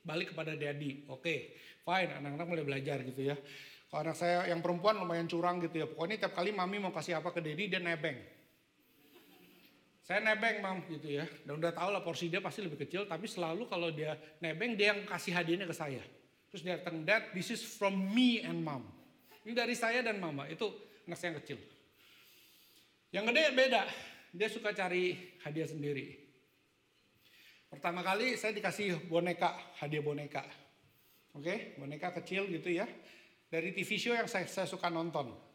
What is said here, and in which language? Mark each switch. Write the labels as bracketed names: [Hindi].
[Indonesian] balik kepada daddy. Oke, fine, anak-anak mulai belajar gitu ya. Kalau anak saya yang perempuan lumayan curang gitu ya. Pokoknya tiap kali mami mau kasih apa ke daddy, dia nebeng. Saya nebeng, mam, gitu ya. Dan udah tau lah porsi dia pasti lebih kecil. Tapi selalu kalau dia nebeng, dia yang kasih hadiahnya ke saya. Terus dia datang, [English] dad, this is from me and mom. [Indonesian] Ini dari saya dan mama. Itu anak saya yang kecil. Yang gede beda. Dia suka cari hadiah sendiri. Pertama kali saya dikasih boneka, hadiah boneka. Oke, boneka kecil gitu ya. Dari TV show yang saya suka nonton.